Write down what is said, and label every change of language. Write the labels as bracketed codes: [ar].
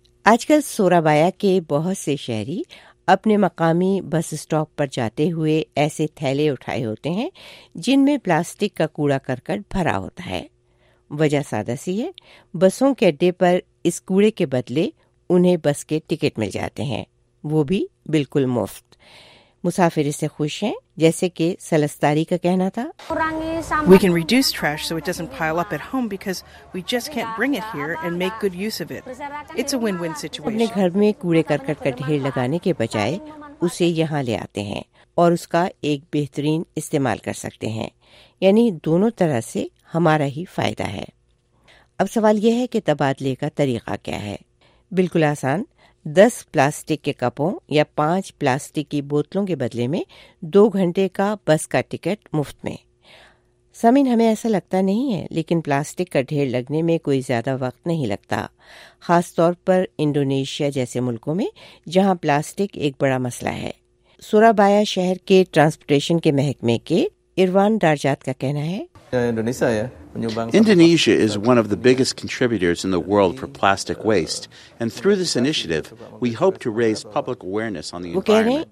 [ur] آج کل سورابایا کے بہت سے شہری اپنے مقامی بس اسٹاپ پر جاتے ہوئے ایسے تھیلے اٹھائے ہوتے ہیں جن میں پلاسٹک کا کوڑا کرکٹ بھرا ہوتا ہے۔ وجہ سادہ سی ہے، بسوں کے اڈے پر اس کوڑے کے بدلے انہیں بس کے ٹکٹ مل جاتے ہیں، وہ بھی بالکل مفت۔ مسافر اس سے خوش ہیں، جیسے کہ سلستاری کا کہنا تھا، [en] We can reduce trash so it doesn't pile up at home because we just can't bring it here and make good use of it. It's a win-win situation. [ur] اپنے گھر میں کوڑے کرکٹ کا ڈھیر لگانے کے بجائے اسے یہاں لے آتے ہیں اور اس کا ایک بہترین استعمال کر سکتے ہیں، یعنی دونوں طرح سے ہمارا ہی فائدہ ہے۔ اب سوال یہ ہے کہ تبادلے کا طریقہ کیا ہے۔ بالکل آسان، 10 پلاسٹک کے کپوں یا 5 پلاسٹک کی بوتلوں کے بدلے میں 2 گھنٹے کا بس کا ٹکٹ مفت میں۔ سمن ہمیں ایسا لگتا نہیں ہے، لیکن پلاسٹک کا ڈھیر لگنے میں کوئی زیادہ وقت نہیں لگتا، خاص طور پر انڈونیشیا جیسے ملکوں میں جہاں پلاسٹک ایک بڑا مسئلہ ہے۔ سورابایا شہر کے ٹرانسپورٹیشن کے محکمے کے Irwan Darjat ka kehna hai. [en] Indonesia is one of the biggest contributors in the world for plastic waste, and through this initiative we hope to raise public awareness on the environment.